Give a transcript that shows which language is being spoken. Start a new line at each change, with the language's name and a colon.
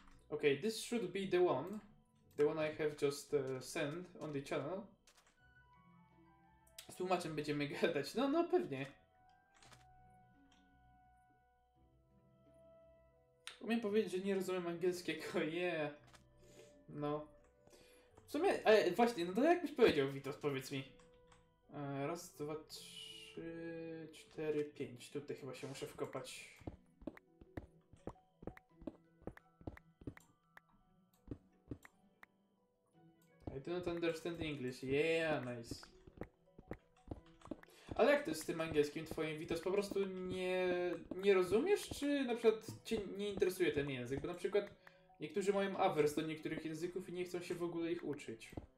English: Ok, this should be the one. The one I have just sent on the channel.
Polish: Z tłumaczem będziemy gadać, no pewnie. Umiem powiedzieć, że nie rozumiem angielskiego, yeah. No. W sumie, właśnie, no to jak byś powiedział, Witos, powiedz mi. Raz, dwa, trzy, cztery, pięć. Tutaj chyba się muszę wkopać.
English: I do not understand English, yeah, nice.
Polish: Ale jak to jest z tym angielskim twoim, Witos? Po prostu nie rozumiesz, czy na przykład cię nie interesuje ten język? Bo na przykład niektórzy mają awers do niektórych języków i nie chcą się w ogóle ich uczyć.